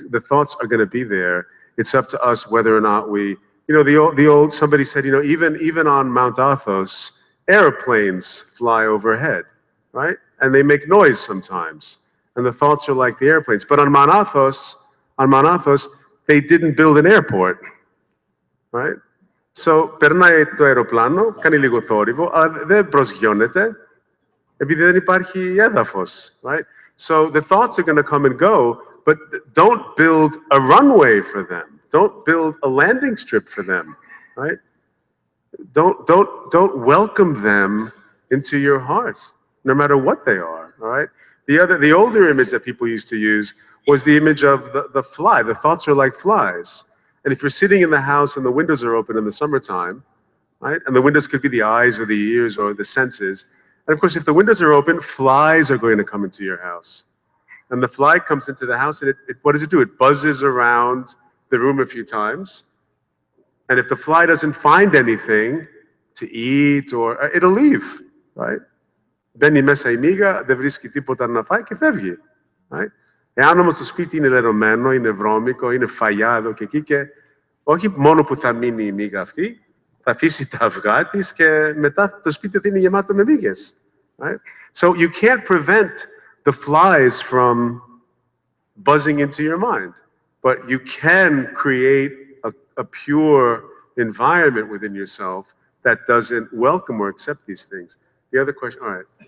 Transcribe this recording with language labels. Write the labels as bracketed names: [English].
[English] The thoughts are going to be there. It's up to us whether or not we, you know, the old, somebody said, you know, even on Mount Athos, airplanes fly overhead, right? And they make noise sometimes. And the thoughts are like the airplanes. But on Mount Athos, they didn't build an airport, right? [Greek] So, περνάει το αεροπλάνο, κάνει λίγο θόρυβο, δεν προσγειώνεται, επειδή δεν υπάρχει έδαφος, [English] right? So the thoughts are going to come and go, but don't build a runway for them. Don't build a landing strip for them, right? Don't welcome them into your heart, no matter what they are, all right? The older image that people used to use was the image of the fly. The thoughts are like flies. And if you're sitting in the house and the windows are open in the summertime, right? And the windows could be the eyes or the ears or the senses. And of course, if the windows are open, flies are going to come into your house. And the fly comes into the house, and it what does it do? It buzzes around the room a few times. And if the fly doesn't find anything to eat, or it'll leave, right? [Greek] Μπαίνει μέσα η μύγα, δεν βρίσκει τίποτα να φάει και φεύγει, [English] right? [Greek] Εάν όμως το σπίτι είναι λερωμένο, είναι βρώμικο, είναι φαγιά εδώ και εκεί, και όχι μόνο που θα μείνει η μύγα αυτή, θα αφήσει τα αυγά της και μετά το σπίτι θα είναι γεμάτο με μύγες. [English] Right? So you can't prevent the flies from buzzing into your mind, but you can create a pure environment within yourself that doesn't welcome or accept these things. The other question, all right.